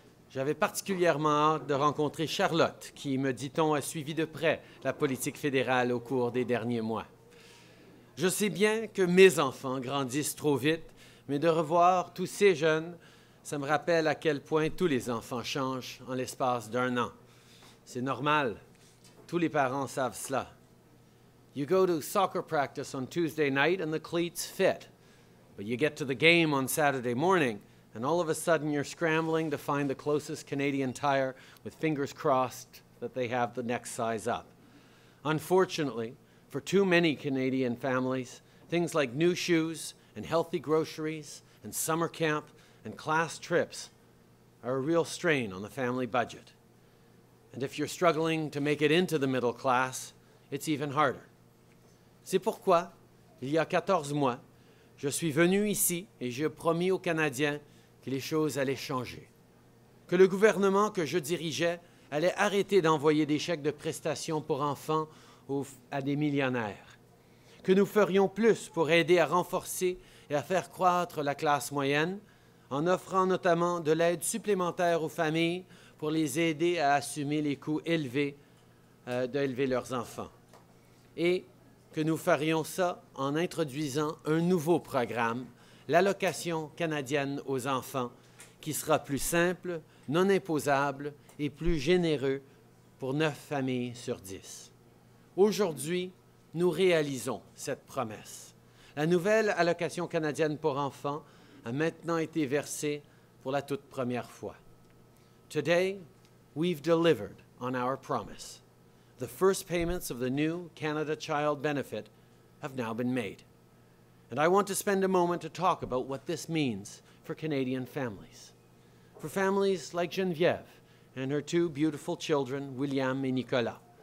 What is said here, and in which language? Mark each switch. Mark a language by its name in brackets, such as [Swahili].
[French] J'avais particulièrement hâte de rencontrer Charlotte, qui, me dit-on, a suivi de près la politique fédérale au cours des derniers mois. Je sais bien que mes enfants grandissent trop vite, mais de revoir tous ces jeunes, ça me rappelle à quel point tous les enfants changent en l'espace d'un an. C'est normal. Tous les parents savent cela. [English] You go to soccer practice on Tuesday night and the cleats fit. But you get to the game on Saturday morning, and all of a sudden, you're scrambling to find the closest Canadian Tire with fingers crossed that they have the next size up. Unfortunately, for too many Canadian families, things like new shoes and healthy groceries and summer camp and class trips are a real strain on the family budget. And if you're struggling to make it into the middle class, it's even harder. [French] C'est pourquoi, il y a 14 mois, je suis venu ici et j'ai promis aux Canadiens que les choses allaient changer, que le gouvernement que je dirigeais allait arrêter d'envoyer des chèques de prestations pour enfants à des millionnaires, que nous ferions plus pour aider à renforcer et à faire croître la classe moyenne en offrant notamment de l'aide supplémentaire aux familles pour les aider à assumer les coûts élevés d'élever leurs enfants, et que nous ferions ça en introduisant un nouveau programme, l'allocation canadienne aux enfants, qui sera plus simple, non imposable et plus généreux pour 9 familles sur 10. Aujourd'hui, nous réalisons cette promesse. La nouvelle allocation canadienne pour enfants a maintenant été versée pour la toute première fois. [English] Today, we've delivered on our promise. The first payments of the new Canada Child Benefit have now been made. And I want to spend a moment to talk about what this means for Canadian families. For families like Genevieve and her two beautiful children, William and Nicolas.